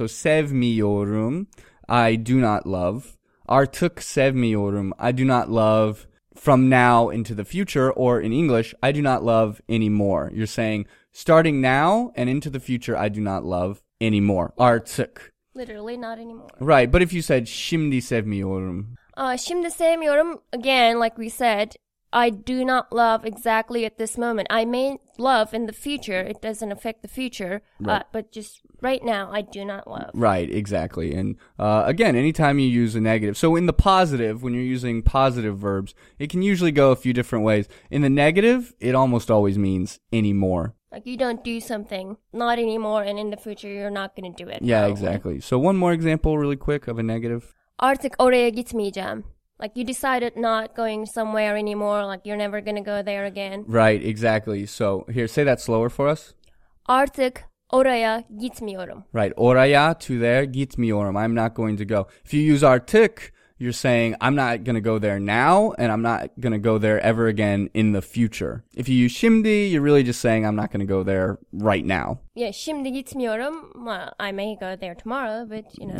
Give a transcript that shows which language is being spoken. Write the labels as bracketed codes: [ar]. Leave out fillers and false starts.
[en] So [tr] sevmiyorum, [en] I do not love. [tr] Artık sevmiyorum, [en] I do not love from now into the future. Or in English, I do not love anymore. You're saying, starting now and into the future, I do not love anymore. [tr] Artık. [en] Literally, not anymore. Right, but if you said, [tr] şimdi sevmiyorum. Şimdi sevmiyorum, [en] again, like we said, I do not love exactly at this moment. I may love in the future. It doesn't affect the future. Right. But just right now, I do not love. Right, exactly. And again, anytime you use a negative. So in the positive, when you're using positive verbs, it can usually go a few different ways. In the negative, it almost always means anymore. Like you don't do something, not anymore, and in the future, you're not going to do it. Yeah, exactly. So one more example really quick of a negative. [tr] Artık oraya gitmeyeceğim. [en] Like, you decided not going somewhere anymore, like, you're never gonna go there again. Right, exactly. So, here, say that slower for us. [tr] Artık oraya gitmiyorum. [en] Right, oraya, to there, gitmiyorum, I'm not going to go. If you use artık, you're saying, I'm not gonna go there now, and I'm not gonna go there ever again in the future. If you use şimdi, you're really just saying, I'm not gonna go there right now. Yeah, [tr] şimdi gitmiyorum, [en] well, I may go there tomorrow, but, you know.